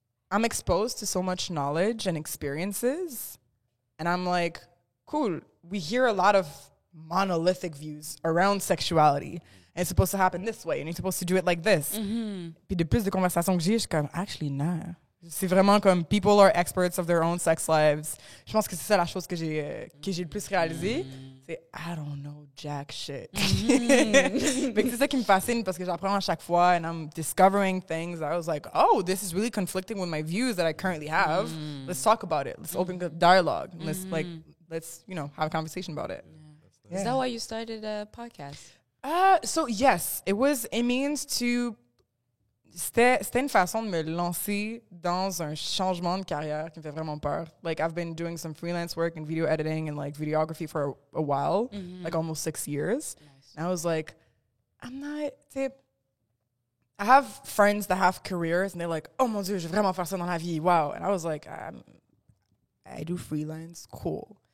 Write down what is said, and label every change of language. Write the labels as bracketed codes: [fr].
[en] I'm exposed to so much knowledge and experiences, and I'm like, cool. We hear a lot of monolithic views around sexuality, and it's supposed to happen this way, and you're supposed to do it like this. Mm-hmm. [fr] Puis de plus de conversations que j'ai, je suis comme, actually, non. C'est vraiment comme, [en] people are experts of their own sex lives. Je pense que c'est ça la chose que j'ai le plus réalisé. Mm-hmm. [fr] C'est, [en] I don't know jack shit. Mm-hmm. [fr] Mais c'est ça qui me fascine, parce que j'apprends à chaque fois, [en] and I'm discovering things. I was like, oh, this is really conflicting with my views that I currently have. Mm-hmm. Let's talk about it. Let's open the dialogue. Mm-hmm. Let's you know, have a conversation about it. Yeah. Yeah. Is that why you started a podcast? So, yes. It was a means to... [fr] C'était une façon de me lancer dans un changement de carrière qui me fait vraiment peur. [en] Like, I've been doing some freelance work and video editing and, like, videography for a while, mm-hmm. like, almost 6 years. Nice. And I was like, I'm not, I have friends that have careers, and they're like, oh, [fr] mon Dieu, je vais vraiment faire ça dans la vie, [en] wow. And I was like, I do freelance, cool.